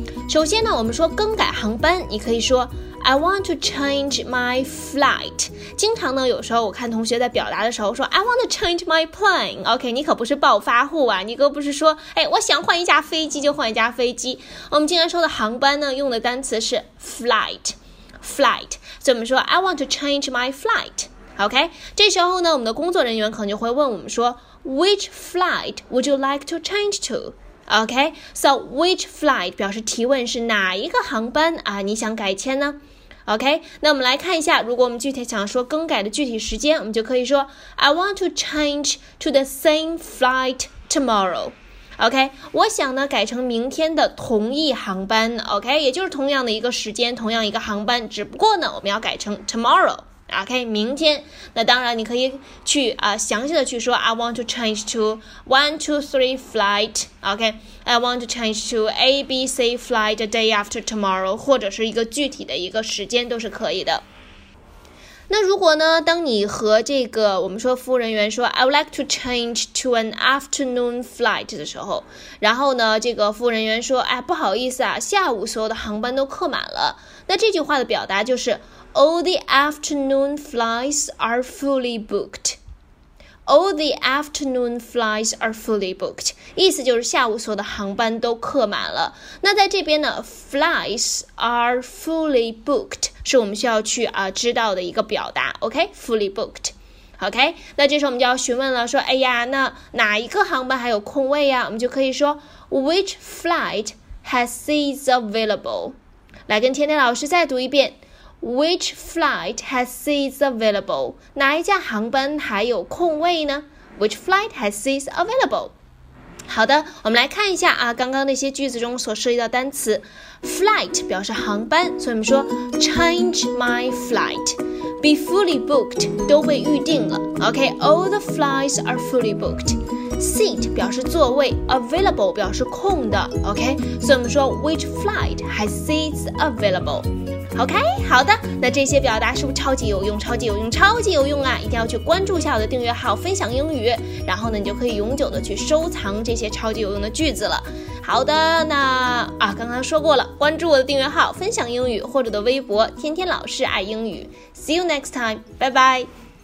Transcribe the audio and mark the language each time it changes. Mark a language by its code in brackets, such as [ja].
[zh] 首先呢，我们说更改航班，你可以说 I want to change my flight. 经常呢，有时候我看同学在表达的时候说 I want to change my plane. OK, 你可不是暴发户啊，你可不是说哎，我想换一架飞机就换一架飞机。我们经常说的航班呢，用的单词是 flight. 所以我们说 I want to change my flight. OK, 这时候呢，我们的工作人员可能就会问我们说 Which flight would you like to change to? OK, so which flight 表示提问是哪一个航班啊你想改签呢 ?OK, 那我们来看一下，如果我们具体想说更改的具体时间，我们就可以说 I want to change to the same flight tomorrow. OK, 我想呢改成明天的同一航班 ,OK, 也就是同样的一个时间，同样一个航班，只不过呢我们要改成 tomorrow. OK, 明天，那当然你可以去详细的去说 I want to change to 1, 2, 3 flight, OK, I want to change to ABC flight the day after tomorrow, 或者是一个具体的一个时间都是可以的。那如果呢，当你和这个我们说服务人员说 I would like to change to an afternoon flight 的时候，然后呢，这个服务人员说哎，不好意思啊，下午所有的航班都客满了，那这句话的表达就是 All the afternoon flights are fully booked. [en] All the afternoon flights are fully booked. [zh] 意思就是下午所有的航班都客满了。那在这边呢 , flights are fully booked, 是我们需要去知道的一个表达 ,OK? [en] Fully booked. OK? [zh] 那这时候我们就要询问了说哎呀那哪一个航班还有空位呀，我们就可以说 , which flight has seats available? 来跟天天老师再读一遍。 [en] Which flight has seats available? [zh] 哪一架航班还有空位呢？ [en] Which flight has seats available? [zh] 好的，我们来看一下啊，刚刚那些句子中所涉及到单词。 Flight 表示航班，所以我们说 Change my flight. [en] Be fully booked 都被预定了。 OK, all the flights are fully booked. [zh] Seat 表示座位， Available 表示空的。 [en] OK, 所以我们说 Which flight has seats available? [zh] OK, 好的，那这些表达是不是超级有用，超级有用，超级有用啊，一定要去关注一下我的订阅号分享英语，然后呢你就可以永久的去收藏这些超级有用的句子了。好的，那刚刚说过了，关注我的订阅号分享英语，或者的微博天天老师爱英语。 See you next time, 拜拜。